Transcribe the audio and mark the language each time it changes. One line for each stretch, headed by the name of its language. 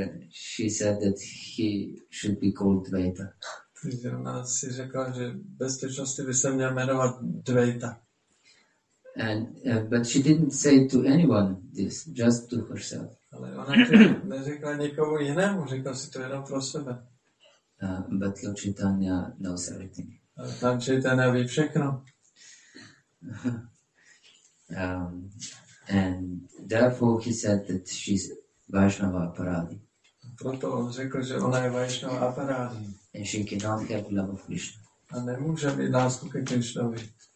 English: She said that he should be called Dvaita.
Czech: Takže ona si řekla, že bez těžnosti by se měl jmenovat Dvaita.
English: And but she didn't say to anyone this, just to herself.
Czech: Ale ona neřekla nikomu jinému, řekla si to jenom pro sebe.
English: But Lord Chaitanya knows everything.
Czech: Tam Chaitanya ví všechno.
English: And therefore he said that she's Vaishnava Aparadi.
Czech: Proto on řekl, že ona je Vaishnava Aparadi.
English: And she cannot have love of Krishna.
Czech: A nemůže mít lásku ke Krishnovi.